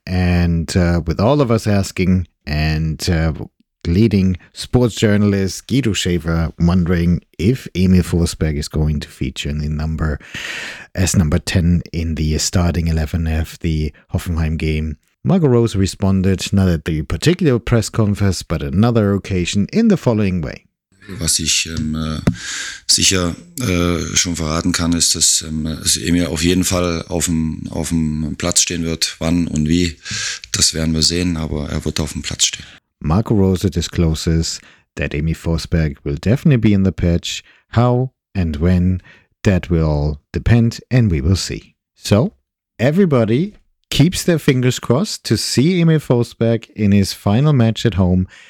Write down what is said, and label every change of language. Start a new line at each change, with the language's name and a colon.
English: And with all of us asking and leading sports journalist Guido Schäfer wondering if Emil Forsberg is going to feature in the number 10 in the starting 11 of the Hoffenheim game, Marco Rosa responded, not at the particular press conference, but another occasion, in the following way.
German: Was ich sicher schon verraten kann, ist, dass Emil auf jeden Fall auf dem Platz stehen wird. Wann und wie, das werden wir sehen, aber er wird auf dem Platz stehen.
English: Marco Rose discloses that Emil Forsberg will definitely be in the pitch. How and when, that will all depend and we will see. So, everybody keeps their fingers crossed to see Emil Forsberg in his final match at home.